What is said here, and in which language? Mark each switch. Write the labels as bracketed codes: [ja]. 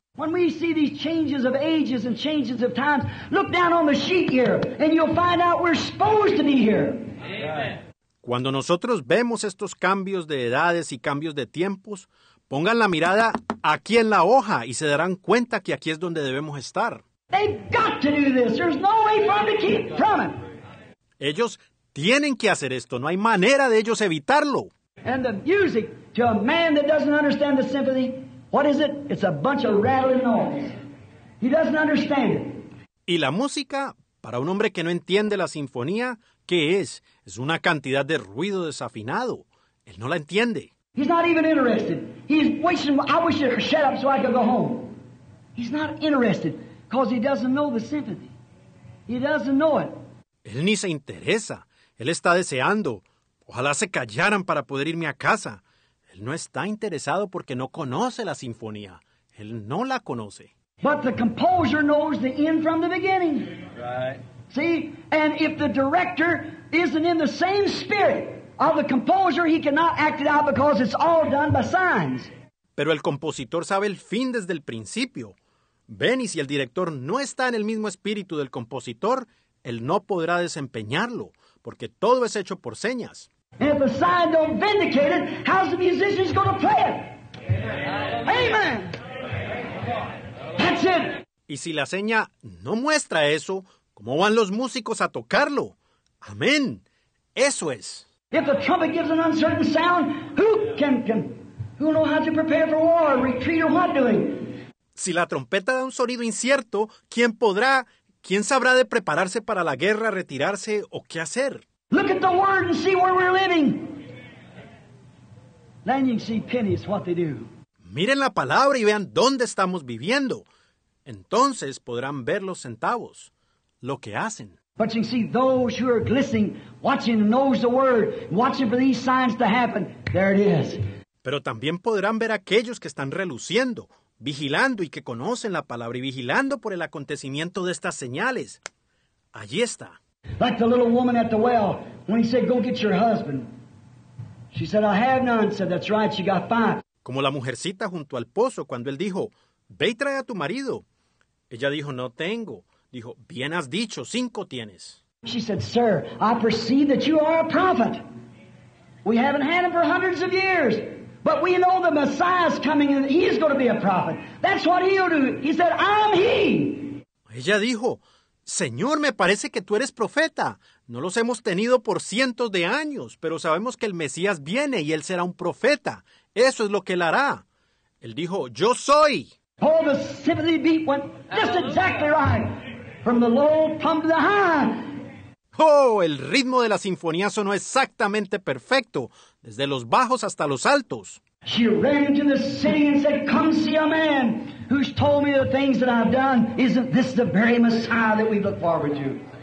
[en] When we see these changes of ages and changes of times, look down on the sheet here, and you'll find out we're supposed to be here. Amen. [es] Cuando nosotros vemos estos cambios de edades y cambios de tiempos, pongan la mirada aquí en la hoja y se darán cuenta que aquí es donde debemos estar. [en] They've got to do this. There's no way for them to keep from it. [es] Ellos tienen que hacer esto. No hay manera de ellos evitarlo. [en] And the music to a man that doesn't understand the symphony, what is it? It's a bunch of rattling noise. He doesn't understand it. [es] Y la música, para un hombre que no entiende la sinfonía, ¿qué es? Es una cantidad de ruido desafinado. Él no la entiende. [en] He's not even interested. He's wishing, I wish you could shut up so I could go home. He's not interested because he doesn't know the sympathy. He doesn't know it. [es] Él ni se interesa. Él está deseando. Ojalá se callaran para poder irme a casa. Él no está interesado porque no conoce la sinfonía. Él no la conoce. [en] But the composer knows the end from the beginning. Right. See? And if the director isn't in the same spirit of the composer, he cannot act it out because it's all done by signs. [es] Pero el compositor sabe el fin desde el principio. Ven, y si el director no está en el mismo espíritu del compositor, él no podrá desempeñarlo, porque todo es hecho por señas. [en] And if the sign don't vindicate it, how's the musicians going to play it? Amen. Amen. That's it. [es] Y si la seña no muestra eso, ¿cómo van los músicos a tocarlo? Amén. Eso es. [en] If the trumpet gives an uncertain sound, who know how to prepare for war, retreat, or what doing? [es] Si la trompeta da un sonido incierto, ¿quién podrá, quién sabrá de prepararse para la guerra, retirarse, o qué hacer? [en] Look at the word and see where we're living. Then you see pennies, what they do. [es] Miren la palabra y vean dónde estamos viviendo. Entonces podrán ver los centavos, lo que hacen. [en] But you see those who are glistening, watching and knows the word, watching for these signs to happen. There it is. [es] Pero también podrán ver aquellos que están reluciendo, vigilando y que conocen la palabra y vigilando por el acontecimiento de estas señales. Allí está. [en] Like the little woman at the well, when he said, go get your husband. She said, I have none. Said, that's right, she got five. [es] Como la mujercita junto al pozo cuando él dijo, ve y trae a tu marido. Ella dijo, no tengo. Dijo, bien has dicho, cinco tienes. [en] She said, sir, I perceive that you are a prophet. We haven't had him for hundreds of years. But we know the Messiah's coming and he is going to be a prophet. That's what he'll do. He said, I'm he. [es] Ella dijo, Señor, me parece que tú eres profeta. No los hemos tenido por cientos de años, pero sabemos que el Mesías viene y él será un profeta. Eso es lo que él hará. Él dijo, yo soy. [en] Oh, the sympathy beat went just exactly right. From the low plumb to the high. [es] Oh, el ritmo de la sinfonía sonó exactamente perfecto, desde los bajos hasta los altos. [en] She ran into the city and said, come see a man who's told me the things that I've done. Isn't this the very Messiah that we look forward to?